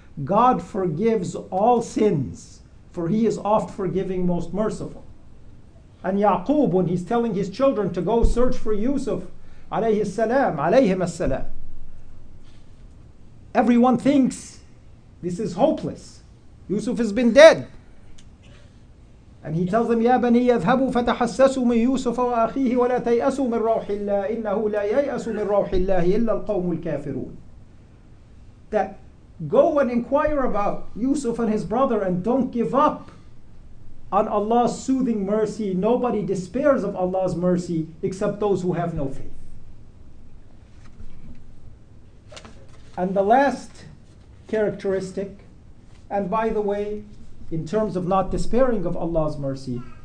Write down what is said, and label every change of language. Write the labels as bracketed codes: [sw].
[en] God forgives all sins, for He is oft forgiving, most merciful. And Yaqub, when he's telling his children to go search for Yusuf, alayhi salam, alayhim as-salam, everyone thinks, this is hopeless. Yusuf has been dead. And he tells them, [ar] يَا بَنِي يَذْهَبُوا فَتَحَسَّسُوا مِنْ يُوسُفَ وَأَخِيهِ وَلَا تَيْأَسُوا مِنْ رَوْحِ اللَّهِ إِنَّهُ لَا يَيْأَسُ مِنْ رَوْحِ اللَّهِ إِلَّا الْقَوْمُ الْكَافِرُونَ. [en] That go and inquire about Yusuf and his brother and don't give up on Allah's soothing mercy. Nobody despairs of Allah's mercy except those who have no faith. And the last characteristic, and by the way, in terms of not despairing of Allah's mercy,